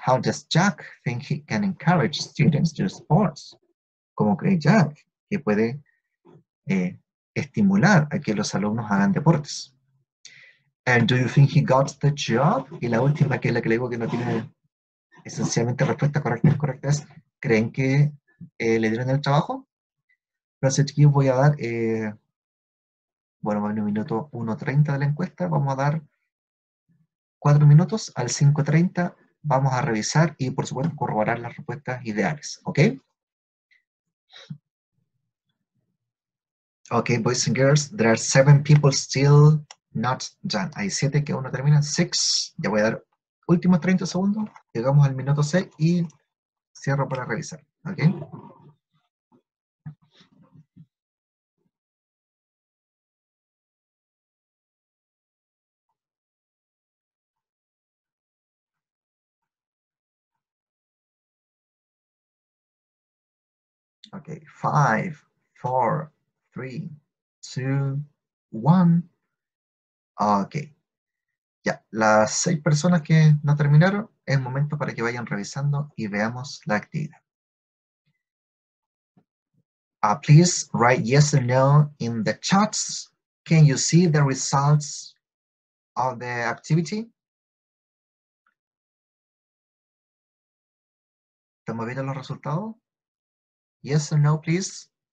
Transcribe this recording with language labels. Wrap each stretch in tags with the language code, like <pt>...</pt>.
<en>How does Jack think he can encourage students to sports?</en> <es>¿Cómo cree Jack que puede estimular a que los alumnos hagan deportes?</es> <en>And do you think he got the job?</en> <es>Y la última, que es la que le digo que no tiene esencialmente respuesta correcta o incorrecta, es, ¿creen que le dieron el trabajo? Aquí voy a dar, bueno, en el minuto 1:30 de la encuesta, vamos a dar 4 minutos al 5:30, vamos a revisar y por supuesto corroborar las respuestas ideales, ¿ok?</es> <en>Ok, boys and girls, there are 7 people still not done.</en> <es>Hay 7 que aún no terminan, 6, ya voy a dar últimos 30 segundos, llegamos al minuto 6 y cierro para revisar, ¿ok?</es> <en>Okay, 5, 4, 3, 2, 1. Okay.</en> <es>Ya, las 6 personas que no terminaron, es momento para que vayan revisando y veamos la actividad.</es> <en>Please write yes or no in the chats. Can you see the results of the activity?</en> <es>¿Estamos viendo los resultados?</es> <en>Yes or no, please.</en>